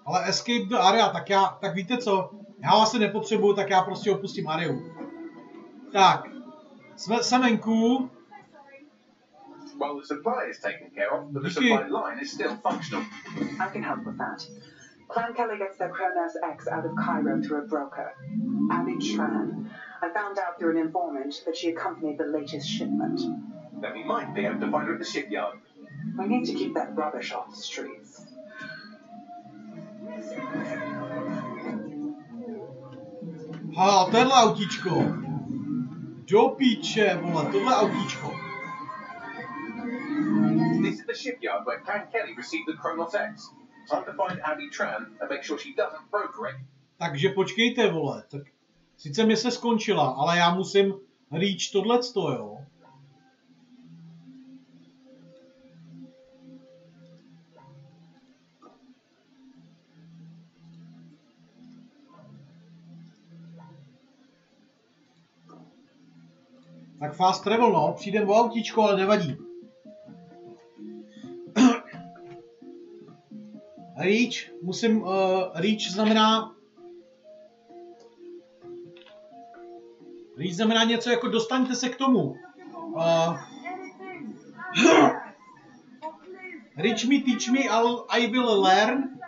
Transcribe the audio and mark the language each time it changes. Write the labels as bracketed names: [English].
[English] Escape the area, [Czech] tak já, tak víte co, já vás nepotřebuju, tak já prostě opustím areu. Tak, jsme semenku. [English] Well, the supply is taken care of, but the supply line is still functional. I can help with that. Clan Kelly gets their Kronos X out of Cairo through a broker, Abby Tran. I found out through an informant that she accompanied the latest shipment. Then we might be able to find her at the shipyard. We need to keep that rubbish off the streets. [Czech] Ha, tohle autíčko. Do píče, vole, tohle autíčko. [English] This is the shipyard where Clan Kelly received the Kronos X. Time to find Abby Tran and make sure she doesn't broker it. [Czech] Takže počkejte, vole, tak sice mi se skončila, ale já musím reach tohleto, jo. Tak fast travel, no. Přijdem o autíčko, ale nevadí. Reach, musím, reach znamená... Reach znamená něco jako dostaňte se k tomu. [English] Reach me, teach me, I will learn.